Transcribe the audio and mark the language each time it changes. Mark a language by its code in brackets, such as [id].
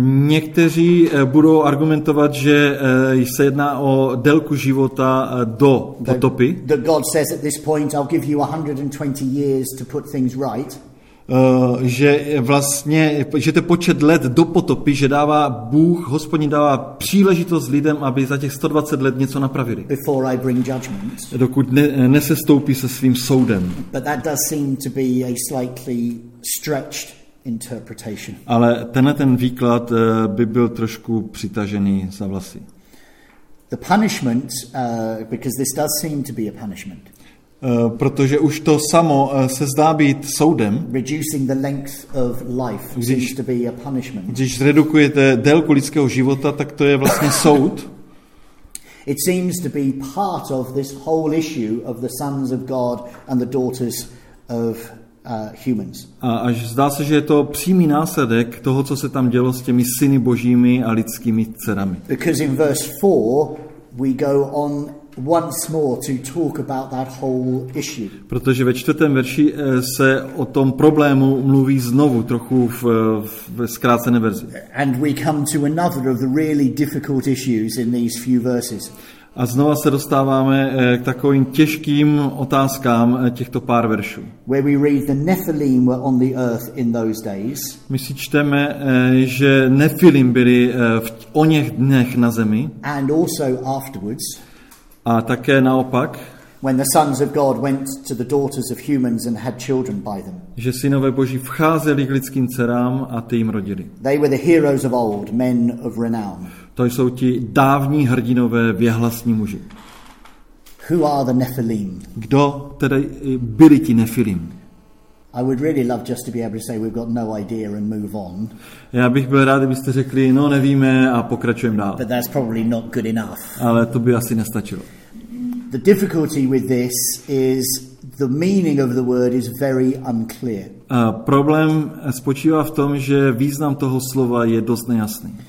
[cs] Někteří budou argumentovat, že se jedná o délku života do potopy. [en] That God says at this point I'll give you 120 years to put things right. [cs] Že vlastně že ten počet let do potopy, že dává Bůh, Hospodin dává příležitost lidem, aby za těch 120 let něco napravili. [en] Before I bring judgment. [cs] Dokud nesestoupí se svým soudem. [en] But that does seem to be a slightly stretched interpretation. [cs] Ale tenhle ten výklad by byl trošku přitažený za vlasy. [en] The punishment, because this does seem to be a punishment. [cs] Protože už to samo se zdá být soudem. [en] Reducing the length of life seems to be a punishment. [cs] Když zredukujete délku lidského života, tak to je vlastně soud. [en] It seems to be part of this whole issue of the sons of God and the daughters of humans. [cs] A zdá se, že je to přímý následek toho, co se tam dělo s těmi syny božími a lidskými dcerami. [en] Because in verse 4 we go on once more to talk about that whole issue. [cs] Protože ve čtvrtém verši se o tom problému mluví znovu trochu v zkrácené verzi. [en] And we come to another of the really difficult issues in these few verses. [cs] A znova se dostáváme k takovým těžkým otázkám těchto pár veršů. [en] Where we read the Nephilim were on the earth in those days. [cs] My si čteme, že Nephilim byli v oněch dnech na zemi. [en] And also afterwards. [cs] A také naopak. [en] When the sons of God went to the daughters of humans and had children by them. [cs] Že synové boží vcházeli k lidským dcerám a ty jim rodili. [en] They were the heroes of old, men of renown. [cs] To jsou ti dávní hrdinové věhlasní muži. [en] Who are the Nephilim? [cs] Kdo tedy byli ti Nephilim? [en] I would really love just to be able to say we've got no idea and move on. [cs] Já bych byl rád, kdybyste řekli, no nevíme a pokračujeme dál. [en] But that's probably not good enough. [cs] Ale to by asi nestačilo. [en] The difficulty with this is the meaning of the word is very unclear. [cs] Problém spočívá v tom, že význam toho slova je dost nejasný.